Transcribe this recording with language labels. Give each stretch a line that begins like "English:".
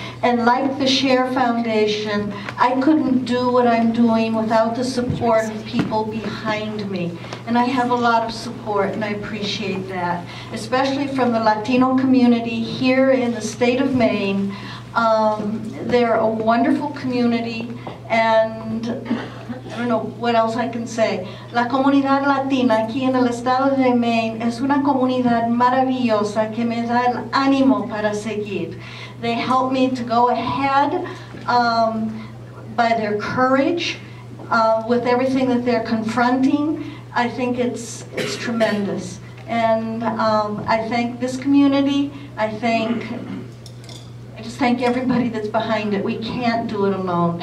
English: And like the Share Foundation, I couldn't do what I'm doing without the support of people behind me. And I have a lot of support, and I appreciate that, especially from the Latino community here in the state of Maine. They're a wonderful community, and I don't know what else I can say.
Spanish: La comunidad latina aquí en el estado de Maine es una comunidad maravillosa que me da el ánimo para seguir.
English: They help me to go ahead by their courage with everything that they're confronting. I think it's tremendous. And I thank this community. I just thank everybody that's behind it. We can't do it alone.